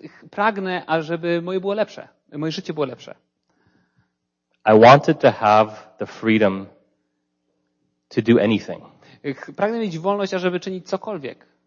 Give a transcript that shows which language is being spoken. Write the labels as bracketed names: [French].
[Polish] Pragnę, ażeby moje było lepsze. Moje życie było lepsze. [English] I wanted to have the freedom to do anything. [Polish] Pragnę mieć wolność, ażeby czynić cokolwiek.